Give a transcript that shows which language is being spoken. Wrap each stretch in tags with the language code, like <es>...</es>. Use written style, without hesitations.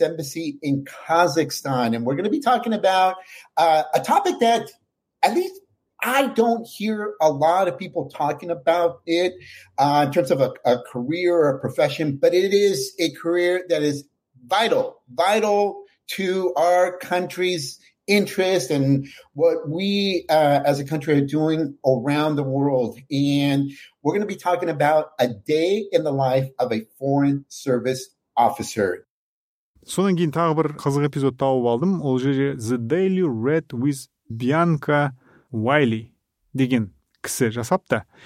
<en>Embassy in Kazakhstan. And we're going to be talking about a topic that at least I don't hear a lot of people talking about it in terms of a career or a profession, but it is a career that is vital, vital to our country's interest and what we as a country are doing around the world. And we're going to be talking about a day in the life of a foreign service officer.</en> <kk>Содан кейін тағы бір қызық эпизод тауып алдым. Ол жерде The Daily Red with Bianca Wiley деген кісі жасапты.</kk>